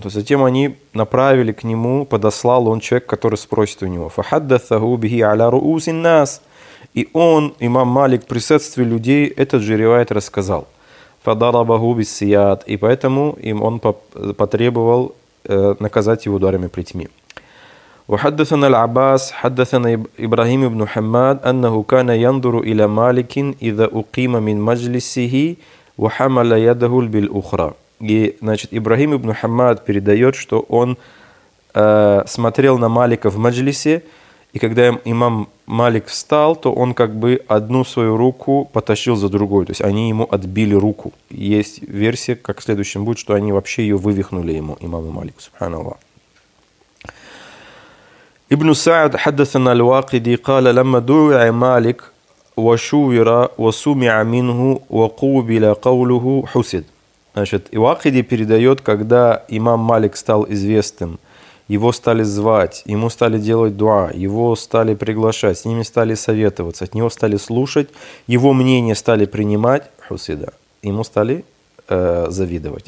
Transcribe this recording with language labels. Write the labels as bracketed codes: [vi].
[ru] То есть затем они направили к нему, подослал он человек, который спросит у него. [ar] «Фахаддасаху бихи аля руусин нас». [ru] И он, имам Малик, в присутствии людей, этот же ривайт рассказал. [ar] «Фадарабаху биссияд». [ru] И поэтому им он потребовал наказать его ударами плетьми. [ar] وحدثنا العباس حدثنا إبراهيم بن حماد أنه كان ينظر إلى مالك إذا أقيم من مجلسه وحمل يده بالأخرى. [ru] Значит, Ибрахим ибн Хаммад передает, что он смотрел на Малика в мажлисе, и когда имам Малик встал, то он как бы одну свою руку потащил за другую, то есть они ему отбили руку. Есть версия, как в следующем будет, что они вообще ее вывихнули ему, имаму Малику, субханаллах. [ar] ابن سعد حدثنا الواقدي قال لما دعي مالك وشوّر وسمع منه وقوبل قوله حسد. [ru] Значит, الواقدي передает, когда имам Малик стал известным, его стали звать, ему стали делать дуа, его стали приглашать, с ними стали советоваться, от него стали слушать, его мнение стали принимать, хусида, ему стали завидовать.